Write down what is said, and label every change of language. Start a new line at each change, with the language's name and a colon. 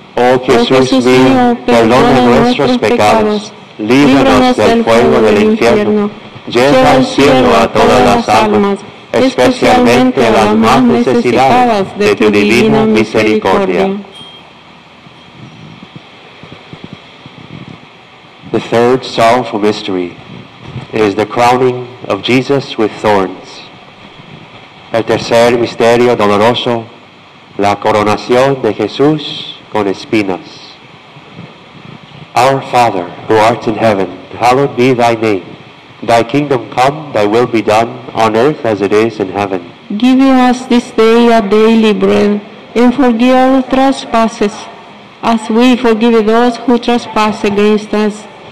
Spanish: Oh Jesús mío, perdona nuestros pecados. Líbranos del fuego del infierno. Lleva al cielo a todas las almas, especialmente a las más necesitadas de tu divina misericordia.
English: The third sorrowful mystery is the crowning of Jesus with thorns.
Spanish: El tercer misterio doloroso, la coronación de Jesús con espinas.
English: Our Father, who art in heaven, hallowed be thy name. Thy kingdom come, thy will be done, on earth as it is in heaven. Give us this day our daily bread, and forgive our trespasses, as we forgive those who trespass against us.